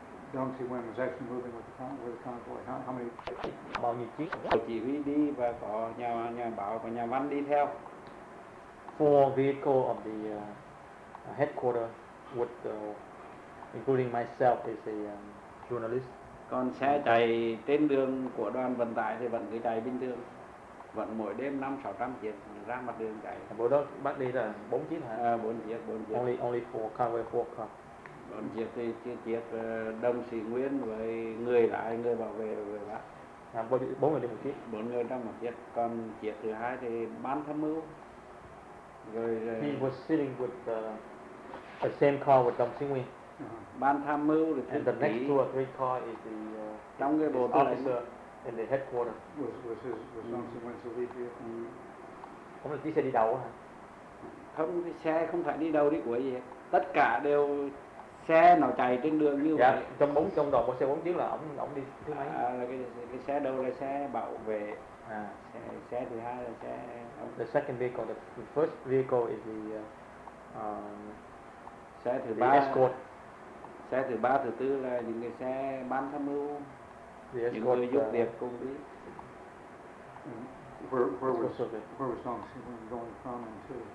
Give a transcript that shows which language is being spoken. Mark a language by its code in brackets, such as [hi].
[en] Dong Si Wen was actually moving with the convoy. How many? [vi] Bao nhiêu chiếc? Bộ chỉ huy đi và có nhà báo và nhà văn đi theo. [en] Four vehicles of the headquarters, with including myself as a journalist. [vi] Còn xe chạy trên đường của đoàn vận tải thì vẫn cứ chạy bình thường, vẫn mỗi đêm 500-600 chiếc ra mặt đường chạy. Bộ đó bắt đi là 4 chiếc hả? Bốn chiếc. [en] Only four convoy, four cars. [vi] Còn chiếc Đông Sĩ Nguyên với người lại người bảo vệ rồi đó. À, bốn người đi một chiếc? Bốn người trong một chiếc. Còn chiếc thứ hai thì bán tham mưu. Rồi, [en] he was sitting with the same car with Đông Sĩ Nguyên. [vi] Bán tham mưu rồi thư ký. [en] And the next two or three car is the [vi] trong cái bộ tư lệnh [en] in the headquarters. Was Đông Sĩ Nguyên to lead here? [vi] Không là chiếc xe đi đầu hả? Không, cái xe không phải đi đầu đi của gì hết. Tất cả đều... xe nó chạy trên đường như vậy. Dạ, trong đoàn có xe 4 chiếc là ổng đi thứ mấy? Là cái xe đầu là xe bảo vệ. À, xe thứ hai là xe ổng. [en] The second vehicle, the first vehicle is the [vi] xe thứ [en] the [vi] ba. [en] Escort. [vi] Xe thứ ba, thứ tư là những cái xe bán tham mưu. [en] The escort. [vi] Những người giúp việc cùng đi. [en] Where was Dong Si Wen going from and to?